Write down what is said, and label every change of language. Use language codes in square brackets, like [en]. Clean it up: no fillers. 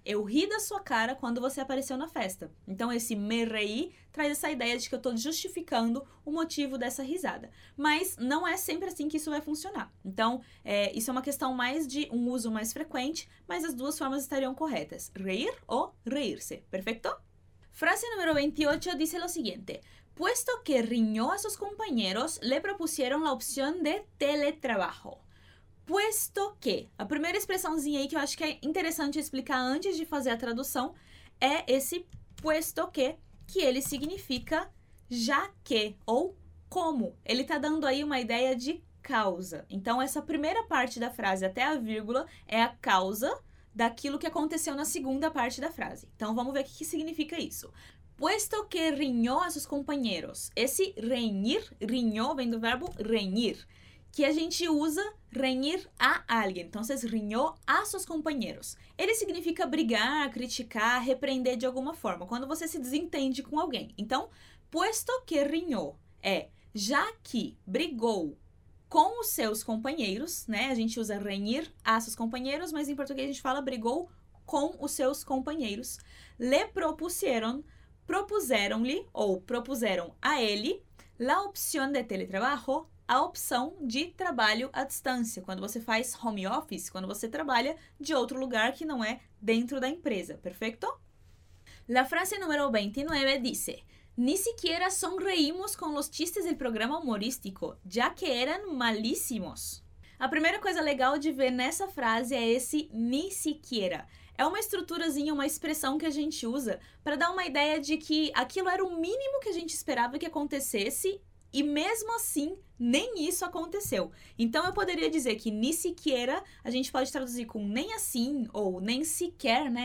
[pt] Eu ri da sua cara quando você apareceu na festa. Então, esse [es] me reí [pt] traz essa ideia de que eu estou justificando o motivo dessa risada. Mas não é sempre assim que isso vai funcionar. Então, isso é uma questão mais de um uso mais frequente, mas as duas formas estariam corretas. Reír ou reír-se. Perfeito? [es] Frase número 28 dice lo siguiente: Puesto que riñó a sus compañeros, le propusieron la opción de teletrabajo. Puesto que. [pt] A primeira expressãozinha aí que eu acho que é interessante explicar antes de fazer a tradução é esse [es] puesto que [pt] ele significa já que ou como. Ele tá dando aí uma ideia de causa. Então, essa primeira parte da frase até a vírgula é a causa daquilo que aconteceu na segunda parte da frase. Então, vamos ver o que significa isso. [es] Puesto que riñó a sus compañeros. [pt] Esse reñir, riñó, vem do verbo reñir, que a gente usa [es] reñir a alguien. [pt] Então, vocês [es] riñó a sus compañeros. [pt] Ele significa brigar, criticar, repreender de alguma forma, quando você se desentende com alguém. Então, [es] puesto que riñó [pt] é já que brigou com os seus companheiros, né? A gente usa reñir a seus companheiros, mas em português a gente fala brigou com os seus companheiros. [es] Le propusieron, [pt] propuseram-lhe ou propuseram a ele [es] la opción de teletrabajo, [pt] a opção de trabalho à distância, quando você faz home office, quando você trabalha de outro lugar que não é dentro da empresa, perfeito? [es] La frase número 29 dice: Ni siquiera sonreímos con los chistes del programa humorístico, ya que eran malísimos. [pt] A primeira coisa legal de ver nessa frase é esse [es] ni siquiera. [pt] É uma estruturazinha, uma expressão que a gente usa para dar uma ideia de que aquilo era o mínimo que a gente esperava que acontecesse e mesmo assim nem isso aconteceu. Então eu poderia dizer que [es] ni siquiera [pt] a gente pode traduzir com nem assim ou nem sequer, né?